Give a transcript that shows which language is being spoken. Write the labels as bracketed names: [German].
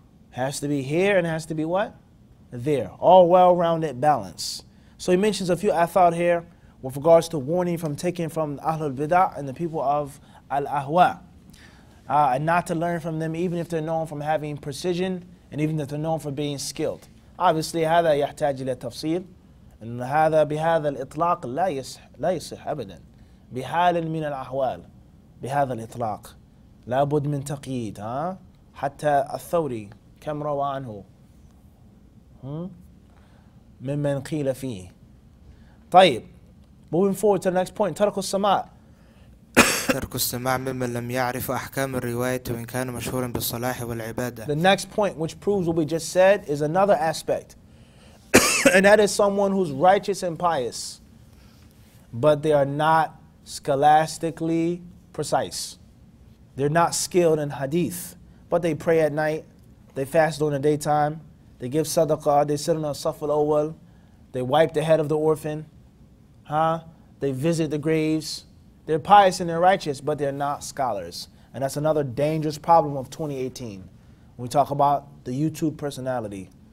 [English] Has to be here and has to be what? There. All well-rounded balance. So he mentions a few athar here with regards to warning from taking from Ahlul Bidah and the people of Al-Ahwa. And not to learn from them even if they're known from having precision and even if they're known for being skilled. [Arabic] Obviously, هذا يحتاج إلى تفصيل. And هذا بهذا الإطلاق لا يصح أبداً. بحال من الأحوال بهذا الإطلاق. لابد من تقييد ها حتى الثوري كم روى عنه ممن قيل فيه طيب [English] moving forward to the next point [Arabic] ترك السماع ترك السماع ممن لم يعرف أحكام الرواية وإن كان مشهورا بالصلاح والعبادة [English] the next point which proves what we just said is another aspect and that is someone who's righteous and pious but they are not scholastically precise they're not skilled in hadith but they pray at night they fast during the daytime they give sadaqah they sit on a saf al-awwal they wipe the head of the orphan huh they visit the graves they're pious and they're righteous but they're not scholars and that's another dangerous problem of 2018 when we talk about the YouTube personality